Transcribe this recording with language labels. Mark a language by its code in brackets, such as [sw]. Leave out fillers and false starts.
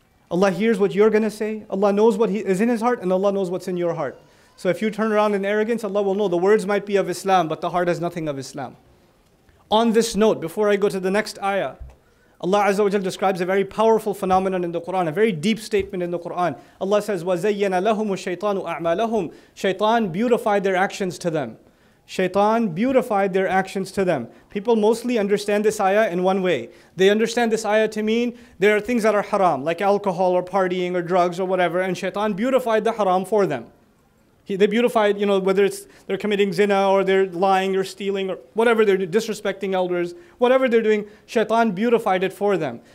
[en] Allah hears what you're going to say. Allah knows what is in his heart, and Allah knows what's in your heart. So if you turn around in arrogance, Allah will know. The words might be of Islam, but the heart has nothing of Islam. On this note, before I go to the next ayah, Allah Azza wa Jal describes a very powerful phenomenon in the Quran, a very deep statement in the Quran. Allah says, [ar] وَزَيَّنَ لَهُمُ الشَّيْطَانُ أَعْمَالَهُمْ. [en] Shaitan beautified their actions to them. Shaitan beautified their actions to them. People mostly understand this ayah in one way. They understand this ayah to mean there are things that are haram, like alcohol or partying or drugs or whatever, and shaitan beautified the haram for them. They beautified, you know, whether it's they're committing zina or they're lying or stealing or whatever, they're disrespecting elders, whatever they're doing, shaitan beautified it for them.